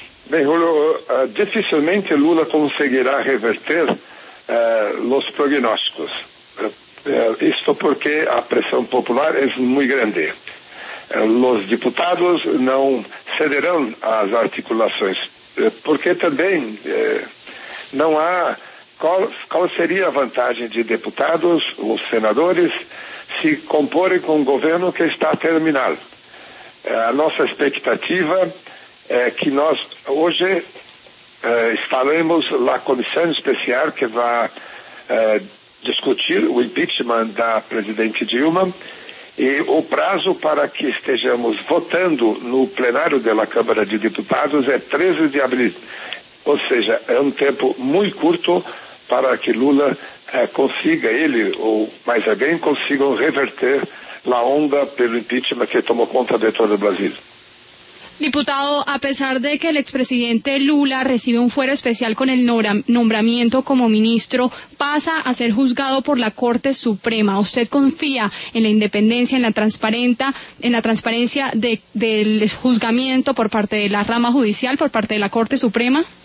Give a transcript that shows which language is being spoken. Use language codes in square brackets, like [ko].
[es] Bien, Julio, difícilmente Lula conseguirá revertir los prognósticos. Esto porque la presión popular es muy grande. [pt] Os deputados não cederão às articulações, porque também não há... Qual seria a vantagem de deputados ou senadores se comporem com um governo que está terminado? A nossa expectativa é que nós hoje instalemos a comissão especial que vai discutir o impeachment da presidente Dilma. E o prazo para que estejamos votando no plenário da Câmara de Deputados é 13 de abril. Ou seja, é um tempo muito curto para que Lula consiga, ele ou mais alguém, consigam reverter a onda pelo impeachment que tomou conta de todo o Brasil. [es] Diputado, a pesar de que el expresidente Lula recibe un fuero especial con el nombramiento como ministro, pasa a ser juzgado por la Corte Suprema. ¿Usted confía en la independencia, en la transparencia del juzgamiento por parte de la rama judicial, por parte de la Corte Suprema?